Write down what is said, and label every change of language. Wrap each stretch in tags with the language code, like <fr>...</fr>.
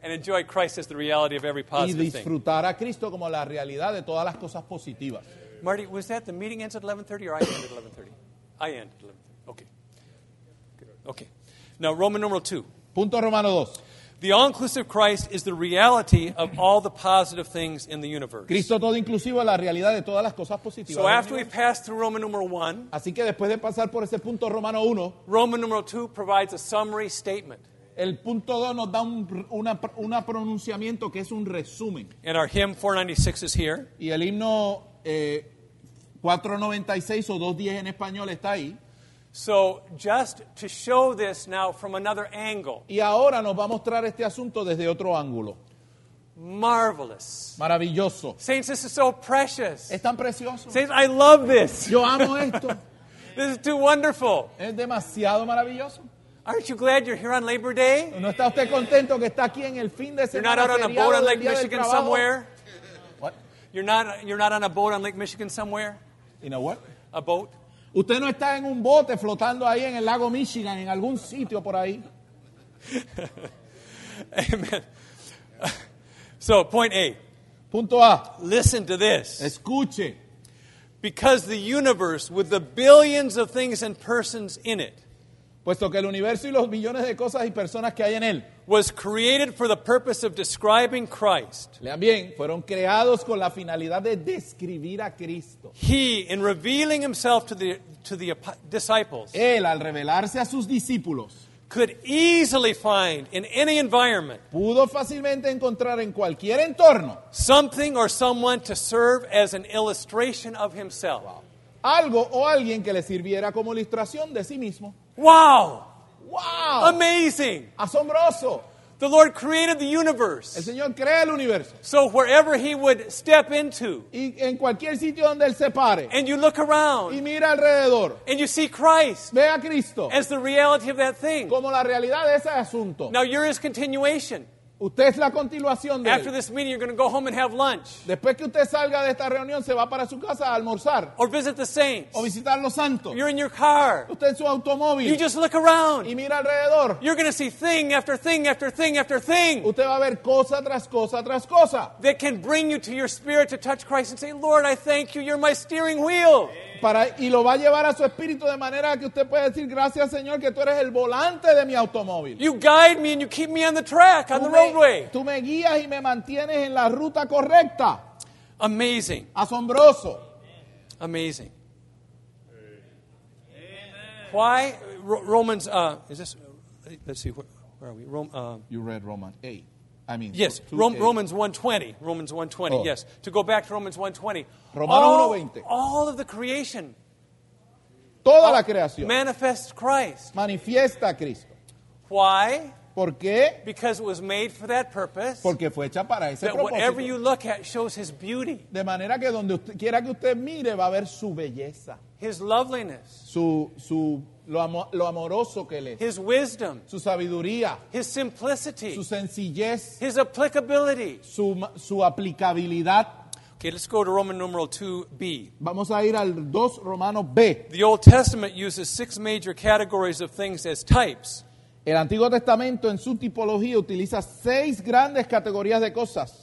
<en>And enjoy Christ as the reality of every positive thing.</en> <es>Y disfrutar a Cristo como la realidad de todas las cosas positivas.</es> <en>Marty, was that the meeting ends at 11:30 or I end at 11:30? I end at 11:30. Okay. Good. Okay. Now, Roman numeral 2.</en> <es>Punto Romano 2.</es> <en>The all-inclusive Christ is the reality of all the positive things in the universe.</en> <es>Cristo todo inclusivo es la realidad de todas las cosas positivas.</es> <en>So after we pass through Roman numeral 1,</en> <es>así que después de pasar por ese punto Romano 1,</es> <en>Roman numeral 2 provides a summary statement.</en> <es>El punto 2 nos da un pronunciamiento que es un resumen.</es> <en>And our hymn 496 is here.</en> <es>Y el himno 496 o 210 en español está ahí.</es> <en>So just to show this now from another angle.</en> <es>Y ahora nos va a mostrar este asunto desde otro ángulo.</es> <en>Marvelous.</en> <es>Maravilloso.</es> <en>Saints, this is so precious.</en> <es>Es tan precioso.</es> <en>Saints, I love this.</en> <es>Yo amo esto.</es> <en>This is too wonderful.</en> <es>Es demasiado maravilloso.</es> <en>Aren't you glad you're here on Labor Day?</en> <es>¿No está usted contento que está aquí en el fin de semana?</es> <en>You're not out on a boat on Lake Michigan somewhere. What? You're not on a boat on Lake Michigan somewhere. In a what? A boat.</en> <es>Usted no está en un bote flotando ahí en el lago Michigan, en algún sitio por ahí.</es> <en>Amen. So, point A.</en> <es>Punto A.</es> <en>Listen to this.</en> <es>Escuche.</es> <en>Because the universe with the billions of things and persons in it,</en> <es>puesto que el universo y los millones de cosas y personas que hay en él,</es> <en>was created for the purpose of describing Christ.</en> <es>Lean bien, fueron creados con la finalidad de describir a Cristo.</es> <en>He, in revealing himself to the disciples,</en> <es>él, al revelarse a sus discípulos,</es> <en>could easily find in any environment,</en> <es>pudo fácilmente encontrar en cualquier entorno,</es> <en>something or someone to serve as an illustration of himself. Wow.</en> <es>Algo o alguien que le sirviera como ilustración de sí mismo.</es> <en>Wow! Wow! Amazing!</en> <es>Asombroso!</es> <en>The Lord created the universe.</en> <es>El Señor crea el universo.</es> <en>So wherever he would step into,</en> <es>y en cualquier sitio donde él se pare,</es> <en>and you look around,</en> <es>y mira alrededor,</es> <en>and you see Christ,</en> <es>ve a Cristo,</es> <en>as the reality of that thing.</en> <es>Como la realidad de ese asunto.</es> <en>Now you're his continuation.</en> <es>Usted es la continuación de</es> <en>After this meeting, you're going to go home and have lunch.</en> <es>Después que usted salga de esta reunión, se va para su casa a almorzar.</es> <en>Or visit the saints.</en> <es>O visitar los santos.</es> <en>You're in your car.</en> <es>Usted en su automóvil.</es> <en>You just look around.</en> <es>Y mira alrededor.</es> <en>You're going to see thing after thing after thing after thing.</en> <es>Usted va a ver cosa tras cosa tras cosa.</es> <en>That can bring you to your spirit to touch Christ and say, Lord, I thank you. You're my steering wheel.</en> <es>Para, y lo va a llevar a su espíritu de manera que usted puede decir, gracias, Señor, que tú eres el volante de mi automóvil.</es> <en>You guide me and you keep me on the track, on the road.</en> <es>Tú me guías y me mantienes en la ruta correcta.</es> <en>Amazing.</en> <es>Asombroso.</es> <en>Amazing. Amen. Why? Romans, is this, let's see, where are we? You read Romans 8. I mean, yes, 2, 8. Romans 1:20. Romans 1:20, oh. Yes. To go back to Romans 1:20.</en> <es>Romano 1:20.</es> <en>All of the creation.</en> <es>Toda la creación.</es> <en>Manifests Christ.</en> <es>Manifiesta a Cristo.</es> <en>Why?</en> <es>¿Por qué?</es> <en>Because it was made for that purpose.</en> <es>Porque fue hecha para ese</es> <en>that</en> <es>propósito.</es> <en>Whatever you look at shows his beauty.</en> <es>De manera que donde usted, quiera que usted mire va a ver su belleza.</es> <en>His loveliness.</en> <es>Lo amoroso que él es.</es> <en>His wisdom.</en> <es>Su sabiduría.</es> <en>His simplicity.</en> <es>Su sencillez.</es> <en>His applicability.</en> <es>Su aplicabilidad.</es> <en>Okay, let's go to Roman numeral 2b.</en> <es>Vamos a ir al 2 Romano B.</es> <en>The Old Testament uses 6 major categories of things as types.</en> <es>El Antiguo Testamento en su tipología utiliza 6 grandes categorías de cosas</es>